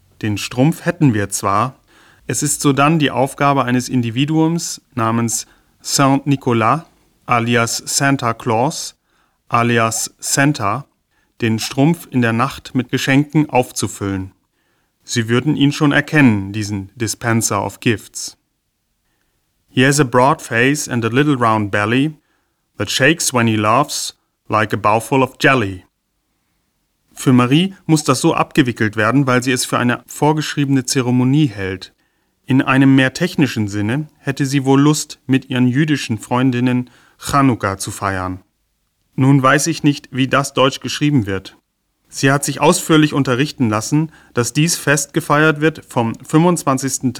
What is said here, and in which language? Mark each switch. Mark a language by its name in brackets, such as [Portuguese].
[German] Den Strumpf hätten wir zwar, es ist sodann die Aufgabe eines Individuums namens Saint Nicolas, alias Santa Claus, alias Santa, den Strumpf in der Nacht mit Geschenken aufzufüllen. Sie würden ihn schon erkennen, diesen [English] Dispenser of Gifts. He has a broad face and a little round belly that shakes when he laughs like a bowlful of jelly. [German] Für Marie muss das so abgewickelt werden, weil sie es für eine vorgeschriebene Zeremonie hält. In einem mehr technischen Sinne hätte sie wohl Lust, mit ihren jüdischen Freundinnen Chanukka zu feiern. Nun weiß ich nicht, wie das deutsch geschrieben wird. Sie hat sich ausführlich unterrichten lassen, dass dies Fest gefeiert wird vom 25.